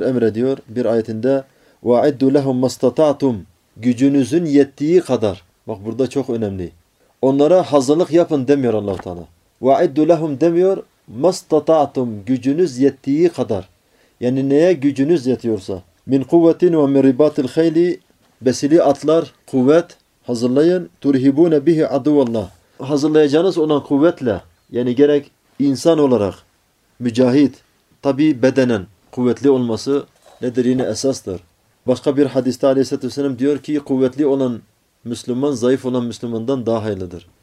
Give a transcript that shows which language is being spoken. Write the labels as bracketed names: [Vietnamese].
[Turkish] Emrediyor bir ayetinde [Arabic] وَاَعِدُّ لَهُمْ مَسْتَطَعْتُمْ [Turkish] gücünüzün yettiği kadar. Bak burada çok önemli. Onlara hazırlık yapın demiyor Allah-u Teala. [Arabic] وَاَعِدُّ لَهُمْ [Turkish] demiyor [Arabic] مَسْتَطَعْتُمْ [Turkish] gücünüz yettiği kadar. Yani neye gücünüz yetiyorsa. [Arabic] مِنْ قُوَّتِنْ وَمِنْ رِبَاطِ الْخَيْلِ [Turkish] besili atlar, kuvvet hazırlayın. [Arabic] تُرْهِبُونَ بِهِ عَدُوَ اللّٰهِ [Turkish] hazırlayacağınız olan kuvvetle, yani gerek insan olarak, mücahit, tabi bedenen kuvvetli olması nedir yine esastır. Başka bir hadiste aleyhissalatü vesselam diyor ki, kuvvetli olan Müslüman, zayıf olan Müslümandan daha hayırlıdır.